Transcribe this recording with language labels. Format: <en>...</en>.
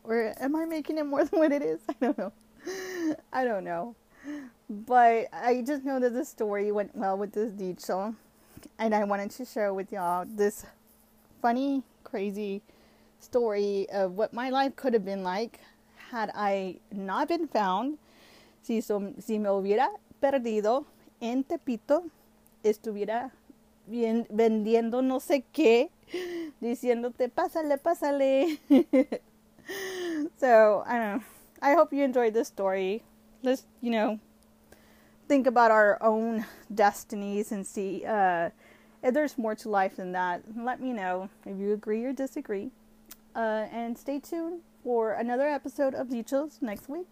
<en>Or am I making it more than what it is? I don't know. I don't know. But I just know that the story went well with this dicho, and I wanted to share with y'all this funny, crazy story of what my life could have been like had I not been found.</en> <es>Si me hubiera perdido en Tepito, estuviera bien vendiendo no sé qué, diciéndote, pásale, pásale.</es> <en>So, I don't know. I hope you enjoyed this story. Let's, think about our own destinies and see if there's more to life than that. Let me know if you agree or disagree. And stay tuned for another episode of Dichos next week.</en>